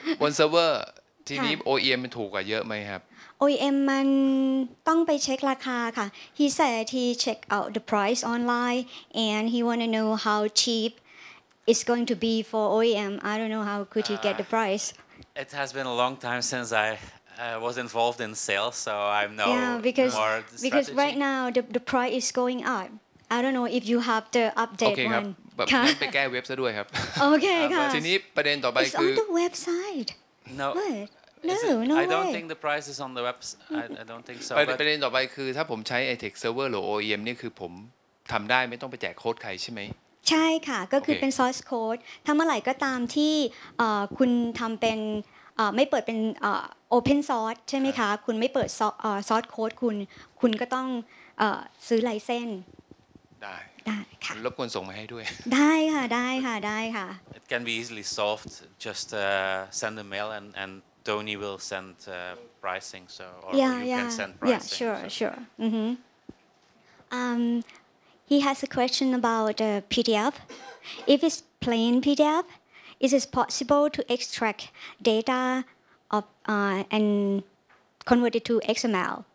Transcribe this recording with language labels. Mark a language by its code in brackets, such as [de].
[th] บนเซิร์ฟเวอร์ทีนี้ OEM มันถูกกว่าเยอะมั้ยครับ OEM มันต้องไปเช็คราคาค่ะ [en] He said he checked out the price online and he want to know how cheap it's going to be for OEM. I don't know how could he get the price. It has been a long time since I was involved in sales, so I'm no yeah, because, more strategy. Because right now the price is going up. I don't know if you have the update okay, one. Okay, [th] ครับ ไปแก้เว็บซะด้วยครับ [en] Okay, [th] ค่ะ ทีนี้ประเด็นต่อไปคือ [en] It's on the website. No. What? No, I don't think the price is on the web. I don't think so. [th] ประเด็นต่อไปคือถ้าผมใช้ iText server หรือ OEM นี่คือผมทำได้ไม่ต้องไปแจกโค้ดใครใช่ไหม ใช่ค่ะก็คือเป็น source code ถ้าเมื่อไหร่ก็ตามที่คุณทำเป็นไม่เปิดเป็น open source ใช่ไหมคะคุณไม่เปิด source code คุณก็ต้องซื้อ license ได้ ได้ค่ะ รบกวนส่งมาให้ด้วย ได้ค่ะได้ค่ะได้ค่ะ [en] It can be easily solved just send a mail and Tony will send pricing so or yeah, you yeah. can send pricing Yeah sure so. sure He has a question about PDF If it's plain PDF is it possible to extract data of and convert it to XML